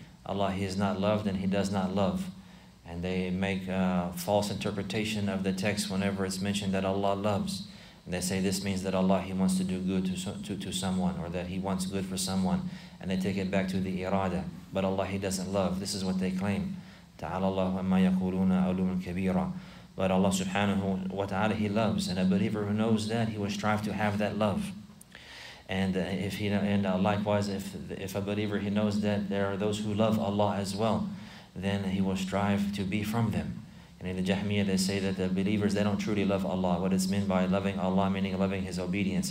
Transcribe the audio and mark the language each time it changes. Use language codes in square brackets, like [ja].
[en] Allah, he is not loved and he does not love. And they make a false interpretation of the text whenever it's mentioned that Allah loves. And they say this means that Allah, he wants to do good to someone, or that he wants good for someone. And they take it back to the irada. But Allah, he doesn't love. This is what they claim. [ar] تعالى الله عما يقولون علوما كبيرا. [en] But Allah subhanahu wa ta'ala, he loves. And a believer who knows that, he will strive to have that love. And likewise, if a believer, he knows that there are those who love Allah as well, then he will strive to be from them. And in the Jahmiyyah, they say that the believers, they don't truly love Allah. What it's meant by loving Allah, meaning loving his obedience.